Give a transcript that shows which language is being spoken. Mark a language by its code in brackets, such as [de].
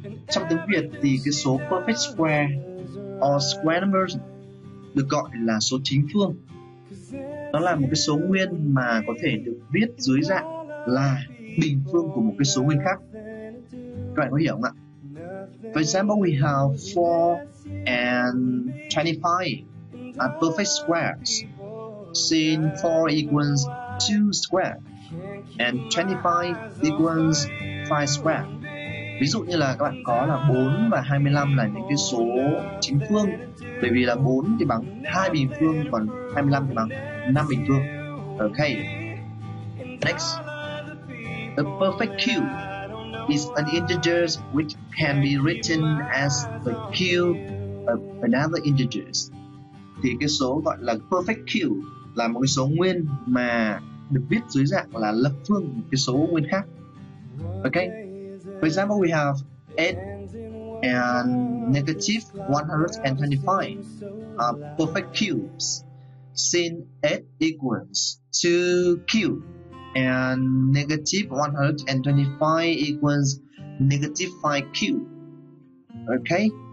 [vi] Trong tiếng Việt thì cái số [en] perfect square or square number [vi] được gọi là số chính phương. Nó là một cái số nguyên mà có thể được viết dưới dạng là bình phương của một cái số nguyên khác. Các bạn có hiểu không ạ? [en] For example, we have 4 and 25 are perfect squares. Since 4 equals 2 square and 25 equals 5 square. [vi] Ví dụ như là các bạn có là 4 và 25 là những cái số chính phương. Bởi vì là 4 thì bằng 2 bình phương, còn 25 thì bằng 5 bình phương. [en] Okay. Next. The perfect cube is an integer which can be written as the cube of another integer. [vi] Thì cái số gọi là perfect cube là một cái số nguyên mà được viết dưới dạng là lập phương một cái số nguyên khác. [en] Okay. For example, we have 8 and negative 125 are perfect cubes. Since 8 equals 2 cubed and negative 125 equals negative 5 cubed. Okay?